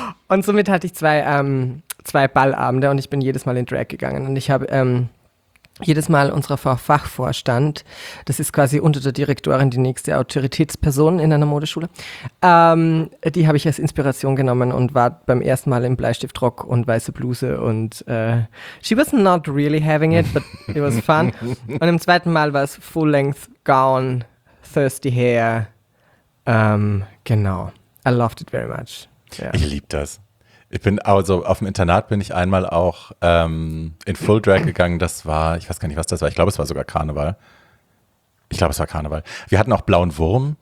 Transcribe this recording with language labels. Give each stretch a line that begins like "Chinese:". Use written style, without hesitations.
German: Und somit hatte ich 2 Ballabende und ich bin jedes Mal in Drag gegangen. Und ich habe jedes Mal unserer Fachvorstand, das ist quasi unter der Direktorin die nächste Autoritätsperson in einer Modeschule, die habe ich als Inspiration genommen und war beim ersten Mal im Bleistiftrock und weiße Bluse.
English: Und she was not really having it, but it was fun.
German: Und im zweiten Mal war es Full-Length Gown, Thirsty Hair.
English: Genau. I loved it very much.
German: Yeah. Ich liebe das. Ich bin also auf dem Internat bin ich einmal auch in Full Drag gegangen. Das war, ich weiß gar nicht, was das war. Ich glaube, es war sogar Karneval. Wir hatten auch Blauen Wurm.